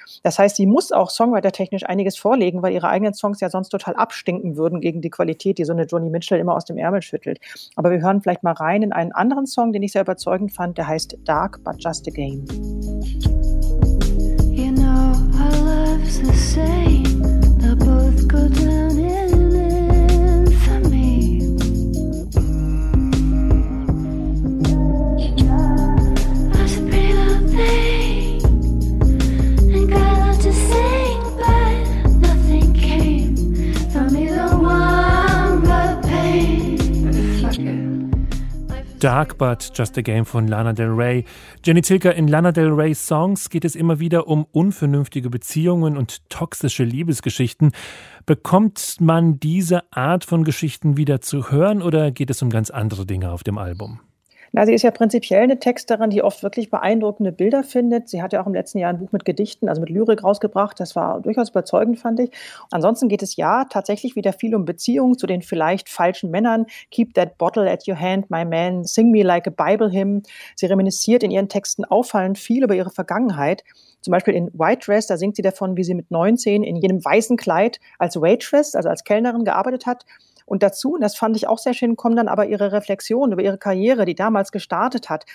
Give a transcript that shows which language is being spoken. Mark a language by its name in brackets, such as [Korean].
[German] Das heißt, sie muss auch songwritertechnisch einiges vorlegen, weil ihre eigenen Songs ja sonst total abstinken würden gegen die Qualität, die so eine Joni Mitchell immer aus dem Ärmel schüttelt. Aber wir hören vielleicht mal rein in einen anderen Song, den ich sehr überzeugend fand. Der heißt Dark But Just a Game. [English] You know, our love's the same. They both go down in infamy. That's a pretty little thing. Ain't got a lot to say, but nothing came from either one but pain. Fuck it. [German] Dark But Just a Game von Lana Del Rey. Jenny Zilker, in Lana Del Reys Songs geht es immer wieder um unvernünftige Beziehungen und toxische Liebesgeschichten. Bekommt man diese Art von Geschichten wieder zu hören oder geht es um ganz andere Dinge auf dem Album? Na, sie ist ja prinzipiell eine Texterin, die oft wirklich beeindruckende Bilder findet. Sie hat ja auch im letzten Jahr ein Buch mit Gedichten, also mit Lyrik rausgebracht. Das war durchaus überzeugend, fand ich. Ansonsten geht es ja tatsächlich wieder viel um Beziehungen zu den vielleicht falschen Männern. [English] Keep that bottle at your hand, my man. Sing me like a Bible hymn. [German] Sie reminisziert in ihren Texten auffallend viel über ihre Vergangenheit. Zum Beispiel in White Dress, da singt sie davon, wie sie mit 19 in jenem weißen Kleid als Waitress, also als Kellnerin, gearbeitet hat. Und dazu, und das fand ich auch sehr schön, kommen dann aber ihre Reflexionen über ihre Karriere, die damals gestartet hat.